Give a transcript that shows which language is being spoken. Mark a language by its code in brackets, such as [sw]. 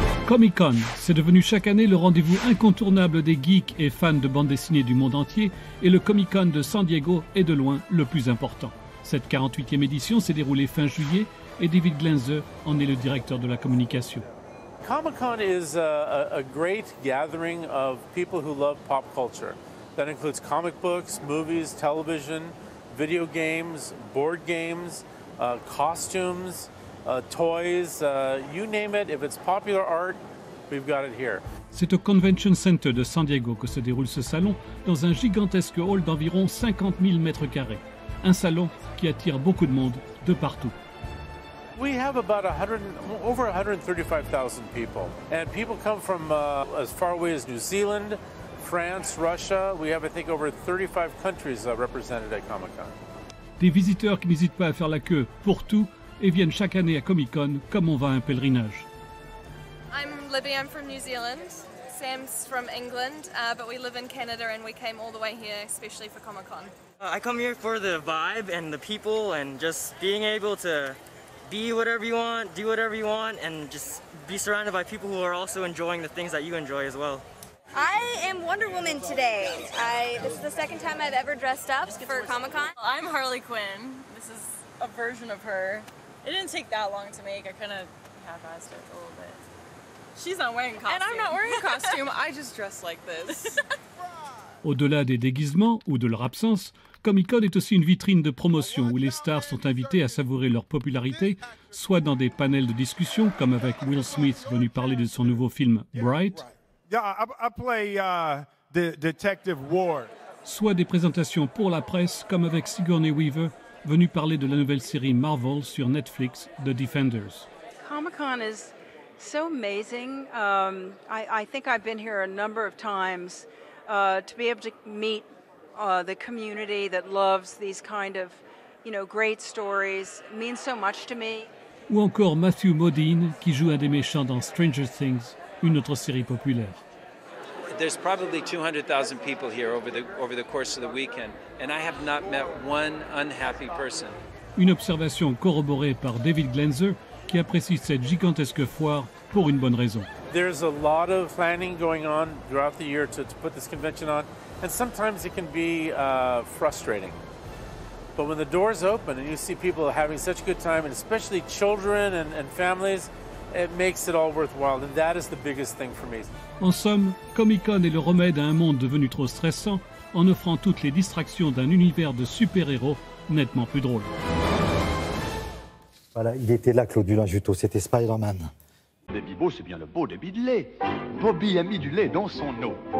[fr] Comic-Con, c'est devenu chaque année le rendez-vous incontournable des geeks et fans de bande dessinée du monde entier, et le Comic-Con de San Diego est de loin le plus important. Cette 48e édition s'est déroulée fin juillet et David Glenze en est le directeur de la communication. [en] Comic-Con is a great gathering of people who love pop culture. That includes comic books, movies, television, video games, board games, costumes, toys, you name it, if it's popular art, we've got it here. [fr] C'est au Convention Center de San Diego que se déroule ce salon, dans un gigantesque hall d'environ 50 000 mètres carrés. Un salon qui attire beaucoup de monde de partout. [en] We have about over 135,000 people. And people come from as far away as New Zealand, France, Russia. We have, I think, over 35 countries represented at Comic-Con. [fr] Des visiteurs qui n'hésitent pas à faire la queue pour tout et viennent chaque année à Comic-Con comme on va à un pèlerinage. [en] I'm Libby, I'm from New Zealand. Sam's from England, but we live in Canada and we came all the way here especially for Comic-Con. I come here for the vibe and the people and just being able to be whatever you want, do whatever you want and just be surrounded by people who are also enjoying the things that you enjoy as well. I am Wonder Woman today. This is the second time I've ever dressed up for Comic-Con. I'm Harley Quinn. This is a version of her. It didn't take that long to make. I kind of half-assed it a little bit. She's not wearing a costume. And I'm not wearing a costume. I just dress like this. [fr] Au-delà des déguisements ou de leur absence, Comic-Con est aussi une vitrine de promotion où les stars sont invitées à savourer leur popularité, soit dans des panels de discussion, comme avec Will Smith venu parler de son nouveau film Bright, soit des présentations pour la presse, comme avec Sigourney Weaver venu parler de la nouvelle série Marvel sur Netflix, The Defenders. [en] Comic-Con is so amazing. I think I've been here a number of times to be able to meet the community that loves these kind of, you know, great stories means so much to me. [fr] Ou encore Matthew Modine, qui joue un des méchants dans Stranger Things, une autre série populaire. [en] There's probably 200,000 people here over the course of the weekend, and I have not met one unhappy person. [fr] Une observation corroborée par David Glenze, qui apprécie cette gigantesque foire pour une bonne raison. [en] There's a lot of planning going on throughout the year to put this convention on. And sometimes it can be frustrating. But when the doors open and you see people having such a good time, and especially children and families, it makes it all worthwhile. And that is the biggest thing for me. [fr] En somme, Comic-Con est le remède à un monde devenu trop stressant en offrant toutes les distractions d'un univers de super-héros nettement plus drôle. Voilà, il était là, Claude Dulin-Juteau, c'était Spider-Man. Baby Beau, c'est bien le beau débit de lait. Bobby a mis du lait dans son eau.